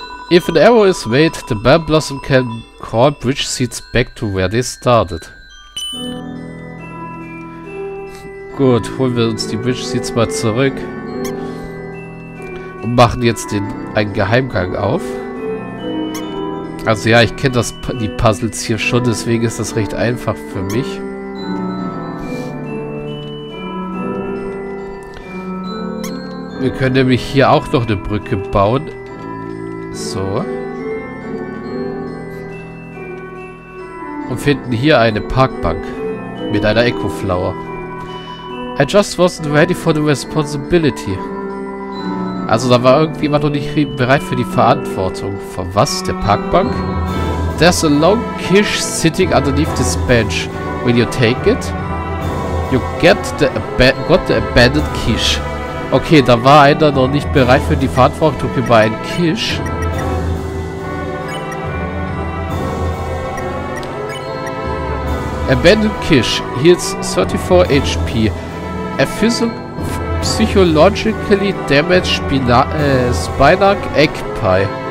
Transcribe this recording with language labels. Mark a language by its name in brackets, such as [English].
[English] If an arrow is made, the Bell Blossom can call bridge seeds back to where they started. [German] Gut, holen wir uns die Bridge Seeds mal zurück. Und machen jetzt einen Geheimgang auf. Also ja, ich kenne die Puzzles hier schon, deswegen ist das recht einfach für mich. Wir können nämlich hier auch noch eine Brücke bauen. So. Und finden hier eine Parkbank. Mit einer Echo Flower. [English] I just wasn't ready for the responsibility. [German] Also da war irgendjemand noch nicht bereit für die Verantwortung. Von was? Der Parkbank? [English] There's a long kish sitting underneath this bench. Will you take it? You got the abandoned kish. [German] Okay, da war einer noch nicht bereit für die Verantwortung über einen Kish. [English] Abandoned Kish heals 34 HP. A psychologically damaged Spinach Egg Pie.